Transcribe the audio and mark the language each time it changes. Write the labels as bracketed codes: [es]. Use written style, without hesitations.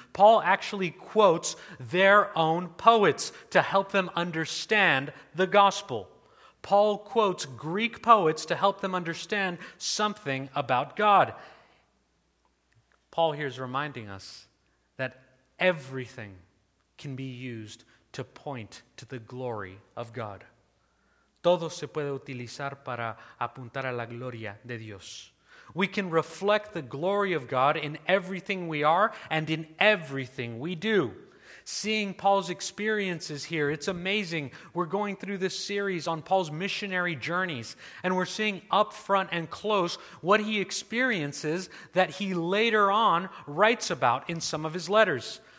[en] Paul actually quotes their own poets to help them understand the gospel. Paul quotes Greek poets to help them understand something about God. Paul here is reminding us that everything can be used to point to the glory of God. [es] Todo se puede utilizar para apuntar a la gloria de Dios. [en] We can reflect the glory of God in everything we are and in everything we do. Seeing Paul's experiences here, it's amazing. We're going through this series on Paul's missionary journeys, and we're seeing up front and close what he experiences that he later on writes about in some of his letters.